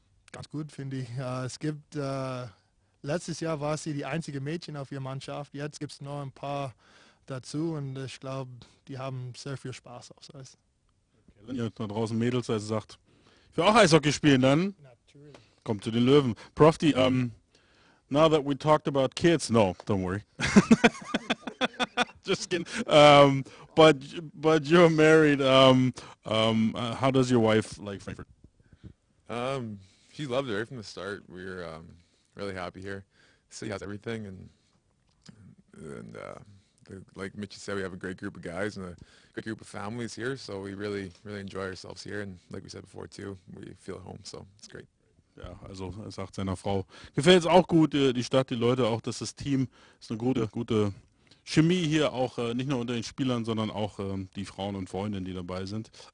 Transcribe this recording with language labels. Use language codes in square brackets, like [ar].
[de] Ganz gut, finde ich. Es gibt letztes Jahr war sie die einzige Mädchen auf ihrer Mannschaft. Jetzt gibt es noch ein paar dazu und ich glaube, die haben sehr viel Spaß aufs Eis. Okay, wenn ihr da draußen Mädels also sagt, ich will auch Eishockey spielen, dann kommt zu den Löwen. [en] Profti, now that we talked about kids, no, don't worry. Just kidding. But you're married. How does your wife like Frankfurt? She loved it right from the start. We were really happy here. City has everything, and Mitch said, we have a great group of guys and a great group of families here. So we really, really enjoy ourselves here. And like we said before too, we feel at home. So it's great. [de] Ja, also er sagt seiner Frau, gefällt es auch gut, die Stadt, die Leute, auch dass das Team, ist eine gute Chemie hier, auch nicht nur unter den Spielern, sondern auch die Frauen und Freundinnen, die dabei sind.